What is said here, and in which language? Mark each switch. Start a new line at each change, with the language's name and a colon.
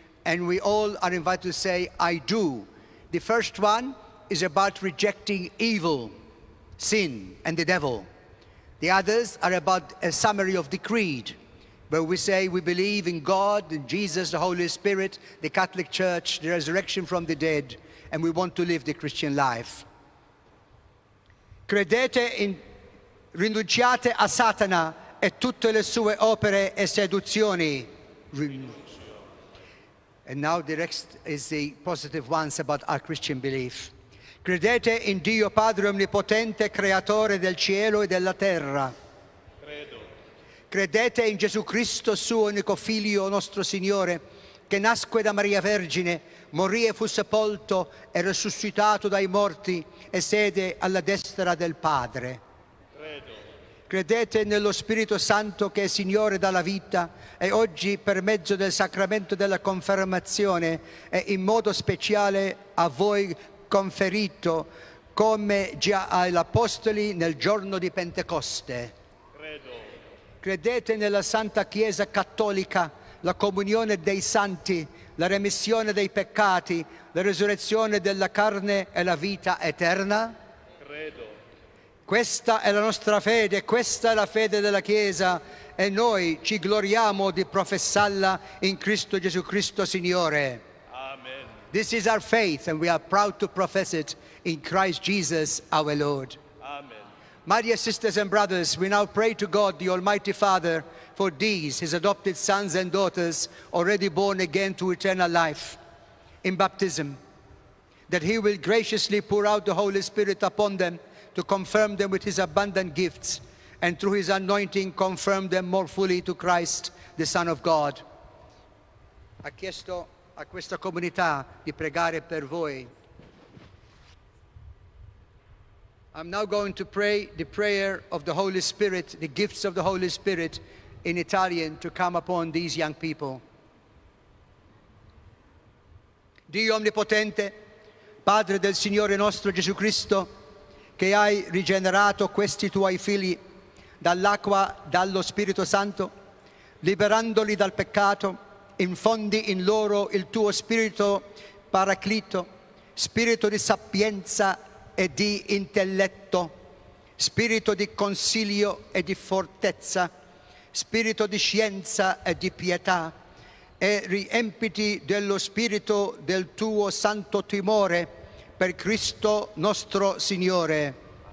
English: and we all are invited to say, I do. The first one is about rejecting evil, sin, and the devil. The others are about a summary of the creed, where we say we believe in God, in Jesus, the Holy Spirit, the Catholic Church, the resurrection from the dead, and we want to live the Christian life.
Italian: Credete in, rinunciate a Satana e tutte le sue opere e seduzioni.
English: And now the next is the positive ones about our Christian belief.
Italian: Credete in Dio Padre Omnipotente, Creatore del Cielo e della Terra. Credo. Credete in Gesù Cristo, suo unico Figlio, nostro Signore, che nasque da Maria Vergine, morì e fu sepolto e resuscitato dai morti e sede alla destra del Padre. Credo. Credete nello Spirito Santo che è Signore dalla vita e oggi per mezzo del sacramento della confermazione è in modo speciale a voi conferito come già agli apostoli nel giorno di Pentecoste. Credo. Credete nella Santa Chiesa Cattolica, la comunione dei santi, la remissione dei peccati, la resurrezione della carne e la vita eterna? Credo. Questa è la nostra fede, questa è la fede della Chiesa e noi ci gloriamo di professarla in Cristo Gesù Cristo Signore. Amen.
English: This is our faith and we are proud to profess it in Christ Jesus our Lord. Amen. My dear sisters and brothers, we now pray to God the Almighty Father for these, his adopted sons and daughters, already born again to eternal life in baptism, that he will graciously pour out the Holy Spirit upon them to confirm them with his abundant gifts, and through his anointing confirm them more fully to Christ, the Son of God.
Italian: Ha chiesto a questa comunità di pregare per voi.
English: I'm now going to pray the prayer of the Holy Spirit, the gifts of the Holy Spirit in Italian to come upon these young people.
Italian: Dio Omnipotente, Padre del Signore nostro Gesù Cristo, che hai rigenerato questi tuoi figli dall'acqua, dallo Spirito Santo, liberandoli dal peccato, infondi in loro il tuo Spirito Paraclito, Spirito di sapienza e di intelletto, Spirito di consiglio e di fortezza, Spirito di scienza e di pietà, e riempiti dello Spirito del tuo santo timore, per Cristo nostro Signore.